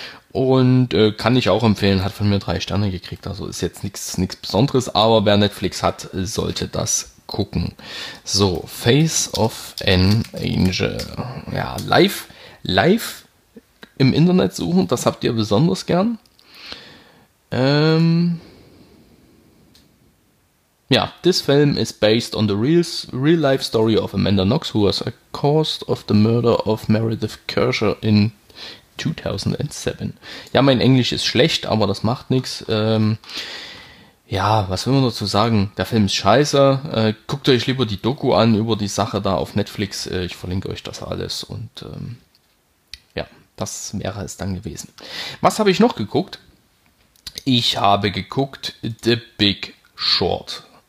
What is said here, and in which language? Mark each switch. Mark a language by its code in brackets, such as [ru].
[de] Und kann ich auch empfehlen, hat von mir 3 Sterne gekriegt. Also ist jetzt nichts Besonderes, aber wer Netflix hat, sollte das gucken. So, Face of an Angel. Ja, live im Internet suchen, das habt ihr besonders gern. [en] Ja, this film is based on the real life story of Amanda Knox, who was accused of the murder of Meredith Kircher in 2007. [de] Ja, mein Englisch ist schlecht, aber das macht nichts. Ja, was will man dazu sagen? Der Film ist scheiße. Guckt euch lieber die Doku an über die Sache da auf Netflix. Ich verlinke euch das alles und das wäre es dann gewesen. Was habe ich noch geguckt? Ich habe geguckt The Big Short.